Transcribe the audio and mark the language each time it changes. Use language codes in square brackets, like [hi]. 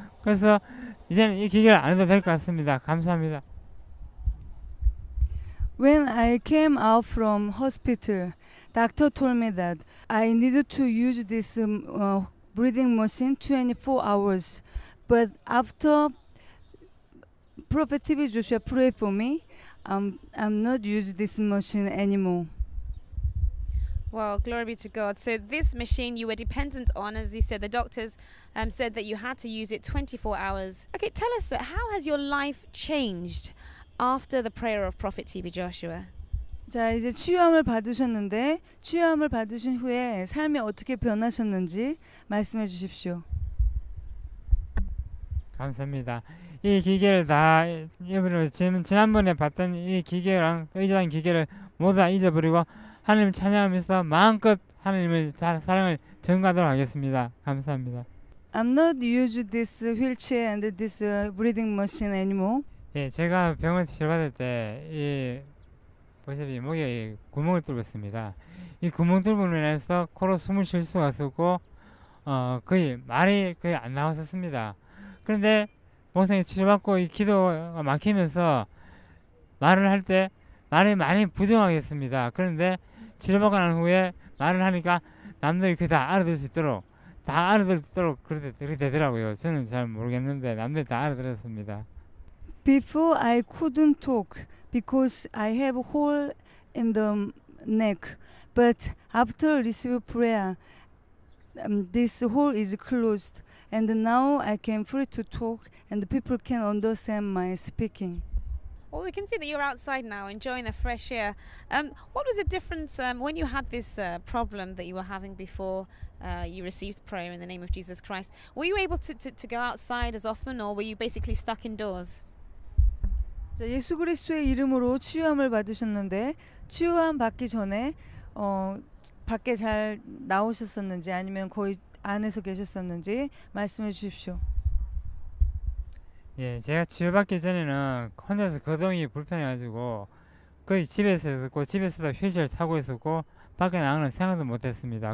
[ko] 그래서 이제는 이 기계를 안 해도 될 것 같습니다. 감사합니다. [en] When I came out from hospital, doctor told me that I needed to use this breathing machine 24 hours. But after Prophet T.B. Joshua prayed for me, I'm not using this machine anymore. Well, glory be to God. So this machine you were dependent on, as you said, the doctors said that you had to use it 24 hours. Okay, tell us, how has your life changed after the prayer of Prophet T.B. Joshua? [ko] 자, 이제 치유함을 받으셨는데 치유함을 받으신 후에 삶이 어떻게 변하셨는지 말씀해 주십시오. 감사합니다. 이 기계를 다 잊어버리고 지난번에 봤던 이 기계랑 의자랑 기계를 모두 다 잊어버리고 하나님 찬양하면서 마음껏 하나님을 사랑을 전가하도록 하겠습니다. 감사합니다. [en] I'm not use this wheelchair and this breathing machine anymore. [ko] 예, 제가 병원 치료 받을 때 이 보시다시피 목에 이 구멍을 뚫었습니다. 이 구멍 뚫음으로 인해서 코로 숨을 쉴 수가 없었고 거의 말이 거의 안 나왔었습니다. 그런데 목사님 치료 받고 이 기도가 막히면서 말을 할 때 말이 많이 부정하겠습니다. 그런데 치료 받고 난 후에 말을 하니까 남들이 그 다 알아들을 수 있도록 다 알아들 수 있도록 그렇게 되더라고요. 저는 잘 모르겠는데 남들이 다 알아들었습니다. [en] Before I couldn't talk because I have a hole in the neck. But after receiving prayer, this hole is closed. And now I can free to talk and people can understand my speaking. Well, we can see that you're outside now, enjoying the fresh air. What was the difference when you had this problem that you were having before you received prayer in the name of Jesus Christ? Were you able to go outside as often, or were you basically stuck indoors? [ko] 자, 예수 그리스도의 이름으로 치유함을 받으셨는데 치유함 받기 전에 밖에 잘 나오셨었는지 아니면 거의 안에서 계셨었는지 말씀해 주십시오. 예, 제가 치유받기 전에는 혼자서 거동이 불편해가지고 거의 집에서 있었고 집에서도 휠체어 타고 있었고 밖에 나가는 생각도 못했습니다.